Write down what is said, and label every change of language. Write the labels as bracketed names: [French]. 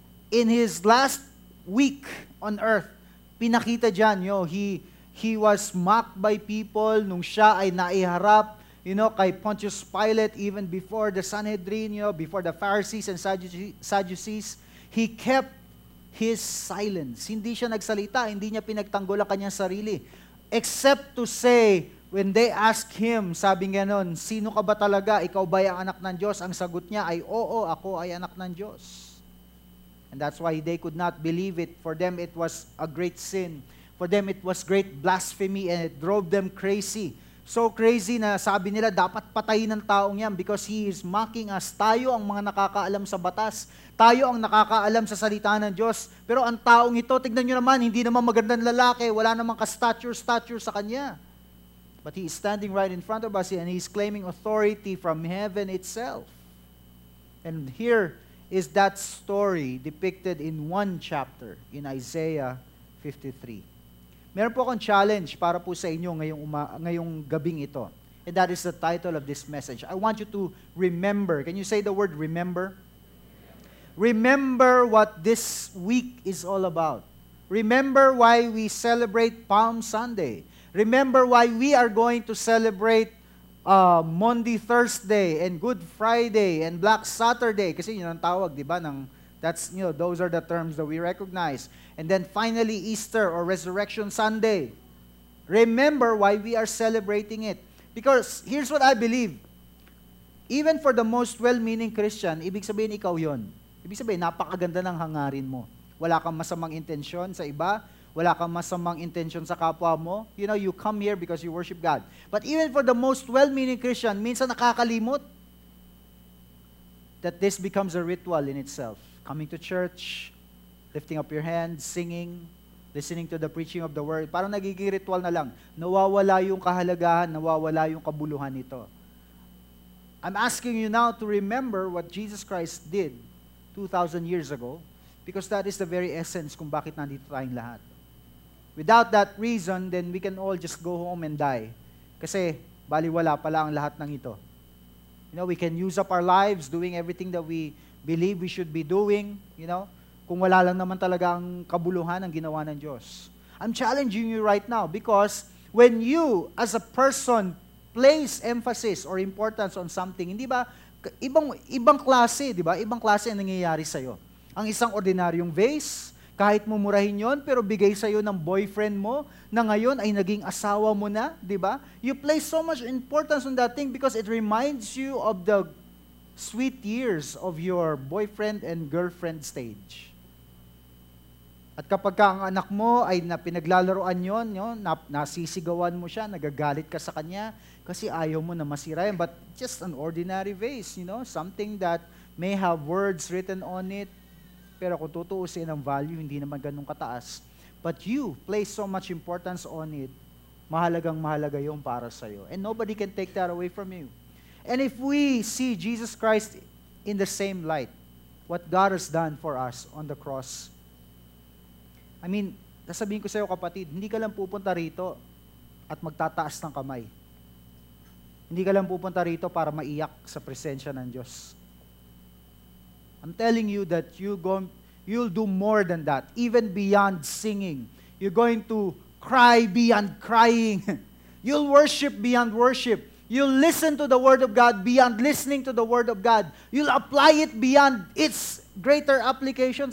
[English] In his last week on earth, [Filipino] pinakita dyan, yo, [English] he was mocked by people [Filipino] nung siya ay naiharap, [English] you know, kay Pontius Pilate, even before the Sanhedrin, you know, before the Pharisees and Sadducees, he kept his silence. [Filipino] Hindi siya nagsalita, hindi niya pinagtanggol ang kanyang sarili. [English] Except to say, when they ask him, [Filipino] sabi nga nun, sino ka ba talaga? Ikaw ba yung anak ng Diyos? Ang sagot niya ay, oo, ako ay anak ng Diyos. [English] And that's why they could not believe it. For them, it was a great sin. For them, it was great blasphemy and it drove them crazy. So crazy [Filipino] na sabi nila, dapat patayin ang taong yan [English] because he is mocking us. [Filipino] Tayo ang mga nakakaalam sa batas. Tayo ang nakakaalam sa salita ng Diyos. Pero ang taong ito, tignan nyo naman, hindi naman magandang lalaki. Wala namang ka-stature sa kanya. [English] But he is standing right in front of us and he is claiming authority from heaven itself. And here is that story depicted in one chapter in Isaiah 53. [Filipino] Meron po akong challenge para po sa inyo ngayong gabing ito. [English] And that is the title of this message. I want you to remember. Can you say the word remember? Remember what this week is all about. Remember why we celebrate Palm Sunday. Remember why we are going to celebrate Maundy Thursday and Good Friday and Black Saturday. [Filipino] Kasi yun ang tawag, di ba? [English] That's, you know, those are the terms that we recognize. And then finally, Easter or Resurrection Sunday. Remember why we are celebrating it. Because here's what I believe. Even for the most well-meaning Christian, [Filipino] ibig sabihin ikaw yun. Ibig sabihin, napakaganda ng hangarin mo. Wala kang masamang intensyon sa iba. Wala kang masamang intensyon sa kapwa mo. [English] You know, you come here because you worship God. But even for the most well-meaning Christian, [Filipino] minsan nakakalimot [English] that this becomes a ritual in itself. Coming to church, lifting up your hands, singing, listening to the preaching of the word. [Filipino] Parang nagiging ritual na lang. Nawawala yung kahalagahan, nawawala yung kabuluhan nito. [English] I'm asking you now to remember what Jesus Christ did 2,000 years ago because that is the very essence [Filipino] kung bakit nandito tayong lahat. [English] Without that reason, then we can all just go home and die. [Filipino] Kasi, baliwala pala ang lahat ng ito. [English] You know, we can use up our lives doing everything that we believe we should be doing, you know, [Filipino] kung wala lang naman talaga ang kabuluhan ang ginawa ng Diyos. [English] I'm challenging you right now because when you, as a person, place emphasis or importance on something, [Filipino] hindi ba, ibang klase, di ba? Ibang klase ang nangyayari sa'yo. Ang isang ordinaryong vase, kahit mumurahin yon, pero bigay sa'yo ng boyfriend mo na ngayon ay naging asawa mo na, di ba? [English] You place so much importance on that thing because it reminds you of the sweet years of your boyfriend and girlfriend stage. [Filipino] At kapag ka ang anak mo ay napinaglalaroan yon, nasisigawan mo siya, nagagalit ka sa kanya kasi ayaw mo na masira yun. [English] But just an ordinary vase, you know, something that may have words written on it. [Filipino] Pero kung tutuusin ang value, hindi naman ganun kataas. [English] But you place so much importance on it, [Filipino] mahalagang mahalaga yung para sa'yo. [English] And nobody can take that away from you. And if we see Jesus Christ in the same light, what God has done for us on the cross, I mean, [Filipino] nasabihin ko sa'yo kapatid, hindi ka lang pupunta rito at magtataas ng kamay. Hindi ka lang pupunta rito para maiyak sa presensya ng Diyos. [English] I'm telling you that you'll do more than that, even beyond singing. You're going to cry beyond crying. You'll worship beyond worship. You'll listen to the Word of God beyond listening to the Word of God. You'll apply it beyond its greater applications.